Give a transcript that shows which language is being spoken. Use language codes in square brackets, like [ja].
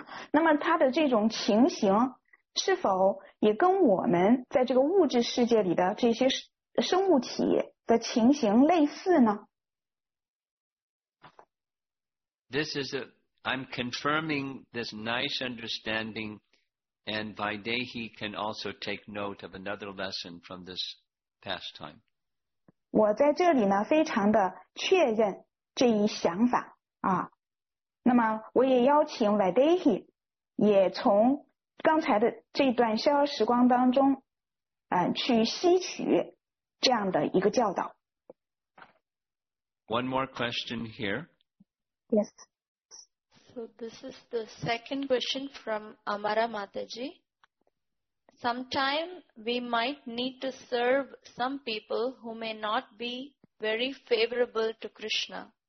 [zh] 那么他的这种情形, 是否也跟我们在这个物质世界里的这些生物体, 的情形类似呢? [en] I'm confirming this nice understanding, and Vaidehi can also take note of another lesson from this pastime. [zh] 我在这里呢, 非常地确认这一想法, 啊, 那么我也邀请 Vaidehi, 也从刚才的这段逍遥时光当中, 去吸取这样的一个教导。 [en] One more question here. Yes. So this is the second question from Amara Mataji. Sometime we might need to serve some people who may not be very favorable to Krishna.